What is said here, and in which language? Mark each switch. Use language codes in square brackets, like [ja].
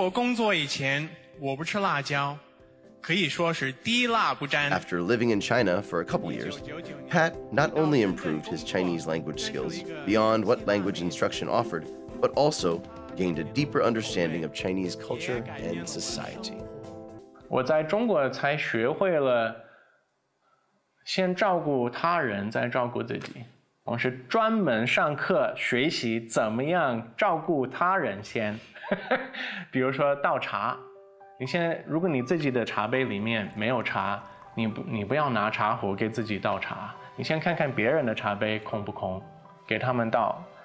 [zh] 什么叫记忆未来？就是我们练外语的时候，我们得练我们将来要做的事情，跟将来很像的一个情景。中国人很少用“你好”两个字打招呼，但是中文课本基本上第一章都是让外国人跟中国人说“你好”。那如果中国人都不说“你好”打招呼的话，为什么让我们跟中国人说“你好”？来中国工作以前，我不吃辣椒。 [en] After living in China for a couple years, Pat not only improved his Chinese language skills beyond what language instruction offered, but also gained a deeper understanding of Chinese culture and society. [zh] 我在中国才学会了先照顾他人，再照顾自己。我是专门上课学习怎么样照顾他人先，比如说倒茶。你先，如果你自己的茶杯里面没有茶，你不要拿茶壶给自己倒茶。你先看看别人的茶杯空不空，给他们倒。